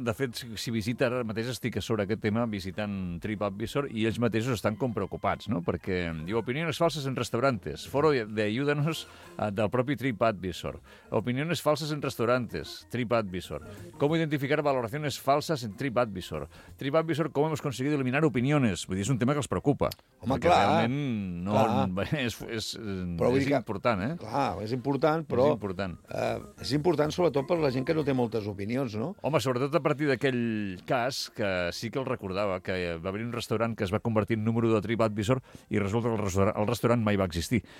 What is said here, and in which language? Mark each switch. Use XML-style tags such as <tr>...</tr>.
<ca>De fet, si visita, ara mateix estic sobre aquest tema visitant TripAdvisor i ells mateixos estan com preocupats, no? Perquè diu,</ca> <es>opiniones falses en restaurantes. Foro de ayúdanos del propi TripAdvisor. Opiniones falses en restaurantes, TripAdvisor. ¿Cómo identificar valoraciones falsas en TripAdvisor? TripAdvisor, ¿cómo hemos conseguido eliminar opiniones?</es> <ca>Vull dir, és un tema que els preocupa. Home, clar. Perquè realment no, és important, eh? Clar, és important, però... És important. És important, sobretot, per la gent que no té moltes opinions, no? Home, sobretot a partir d'aquell cas, que sí que el recordava, que va haver un restaurant que es va convertir en número de TripAdvisor i resulta que el restaurant mai va existir.</ca>